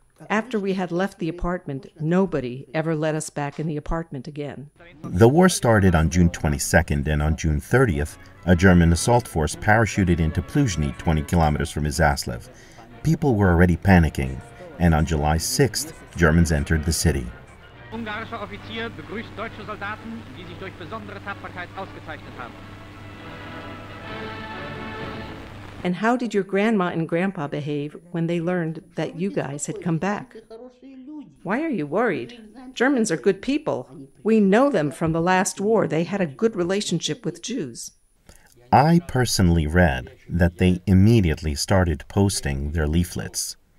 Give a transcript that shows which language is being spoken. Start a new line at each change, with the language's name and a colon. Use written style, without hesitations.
English: After we had left the apartment, nobody ever let us back in the apartment again. The war started on June 22nd, and on June 30th, a German assault force parachuted into Pluzhny, 20 kilometers from Izyaslav. People were already panicking, and on July 6th, Germans entered the city.
German: Ungarischer Offizier begrüßt deutsche Soldaten, die sich durch besondere Tapferkeit ausgezeichnet haben.
English: And how did your grandma and grandpa behave when they learned that you guys had come back? Why are you worried? Germans are good people. We know them from the last war. They had a good relationship with Jews. I personally read that they immediately started posting their leaflets.